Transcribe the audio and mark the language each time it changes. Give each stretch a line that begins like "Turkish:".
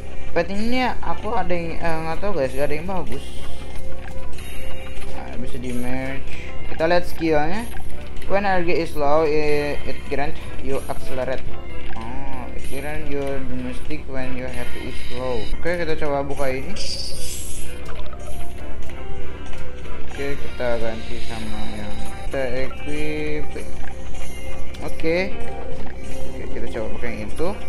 Indonesian: Pet ini aku ada yang nggak tahu guys, ada yang bagus. Nah, bisa di merge. Kita lihat skillnya.
English: When energy is low, it grant you accelerate. Oh, it grant your domestic when your health is low.
Indonesian: Oke, kita coba buka ini. Oke, kita ganti sama yang kita equip. Oke, kita coba pakai yang itu.